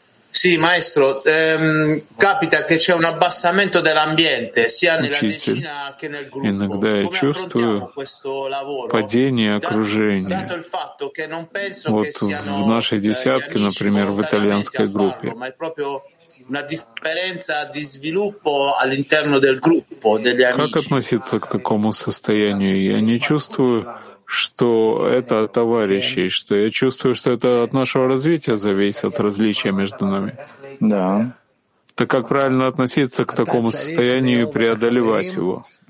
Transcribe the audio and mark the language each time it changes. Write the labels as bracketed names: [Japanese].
[Italian] Sì, maestro, capita che c'è un abbassamento dell'ambiente sia nella decina che nel gruppo. [Russian] Иногда я чувствую падение окружения. Вот в нашей десятке, например, в итальянской группе. [Italian] Ma è proprio una differenza di sviluppo all'interno del gruppo degli amici. [Russian] Как относиться к такому состоянию? Я не чувствую, что это от товарищей, что я чувствую, что это от нашего развития зависит, различия между нами. Да. Так как правильно относиться к такому состоянию и преодолевать его?